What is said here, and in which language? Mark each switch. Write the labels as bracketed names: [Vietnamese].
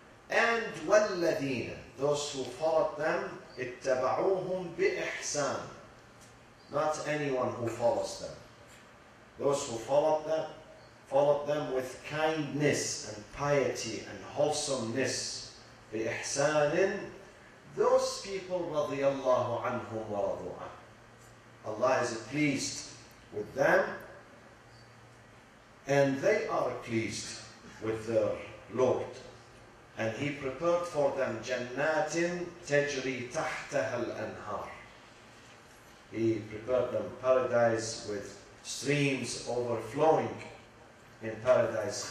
[English] And [Arabic] وَالَّذِينَ, [English] those who followed them, [Arabic] اتَّبَعُوهُمْ بِإِحْسَانِ. [English] Not anyone who follows them. Those who followed them with kindness and piety and wholesomeness. [Arabic] بِإِحْسَانٍ, [English] those people [Arabic] رَضِيَ اللَّهُ عَنْهُمْ وَرَضُوا عَنْهُمْ. [English] Allah is pleased with them, and they are pleased with their Lord. And He prepared for them [Arabic] جَنَّاتٍ تَجْرِي تَحْتَهَا الْأَنْهَارِ. [English] He prepared them paradise with streams overflowing in paradise.